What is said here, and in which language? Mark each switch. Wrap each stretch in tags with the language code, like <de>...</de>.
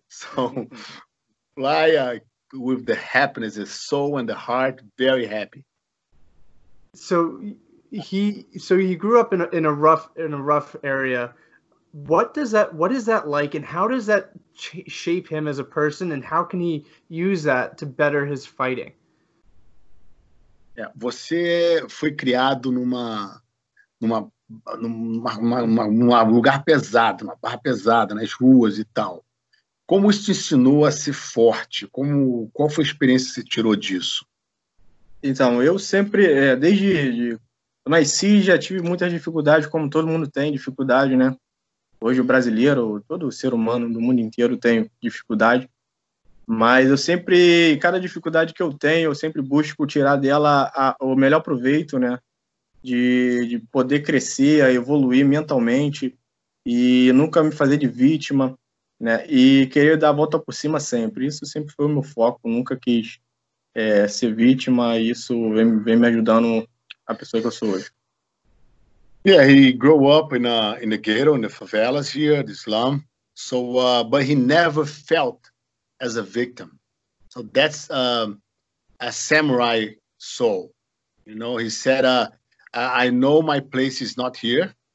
<en>So fly with the happiness, the soul and the heart, very happy. So he grew up in a rough area. What is that like, and how does that shape him as a person, and how can he use that to better his fighting?</en> <pt>Você foi criado numa lugar pesado, numa barra pesada, nas ruas e tal. Como isso te ensinou a ser forte? Qual foi a experiência que você tirou disso? Então, eu sempre, desde eu nasci, já tive muitas dificuldades, como todo mundo tem dificuldade, né? Hoje o brasileiro, todo ser humano do mundo inteiro tem dificuldade. Mas eu sempre, cada dificuldade que eu tenho, eu sempre busco tirar dela o melhor proveito, né? De poder crescer, evoluir mentalmente e nunca me fazer de vítima, né? E querer dar a volta por cima sempre. Isso sempre foi o meu foco, nunca quis ser vítima, e isso vem me ajudando a pessoa que eu sou hoje.</pt> <en>Yeah, he grew up in the ghetto, in the favelas here, the slum. So, but he never felt as a victim. So that's a samurai soul. You know, he said, I know my place is not here.</en>